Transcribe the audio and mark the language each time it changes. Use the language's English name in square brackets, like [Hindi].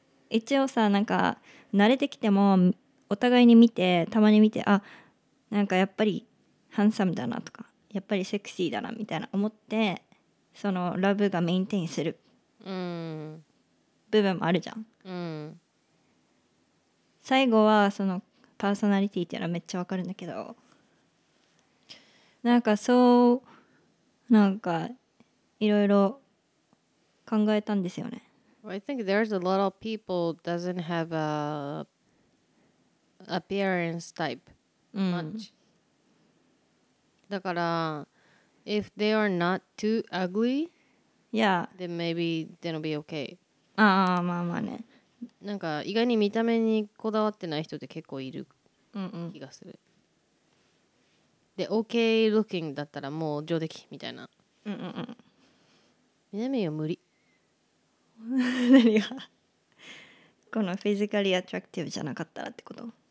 [Japanese] 一応さなんか慣れてきてもお互いに見てたまに見て、あなんかやっぱりハンサムだなとかやっぱりセクシーだなみたいな思ってそのラブがメインテインする部分もあるじゃん、うん、最後はそのパーソナリティっていうのはめっちゃわかるんだけど、なんかそうなんかいろいろ考えたんですよね。 [English] I think there's a lot of people doesn't have a appearance type much、 [Japanese] うん、だから [English] if they are not too ugly、 yeah. then maybe they'll be okay。 [Japanese] ああまあまあね、なんか意外に見た目にこだわってない人って結構いる気がする、うんうん、で [English] okay looking [Japanese] だったらもう上出来みたいな、うんうんうん、見た目は無理何がこのフィジカリアトラクティブじゃなかったらってこと、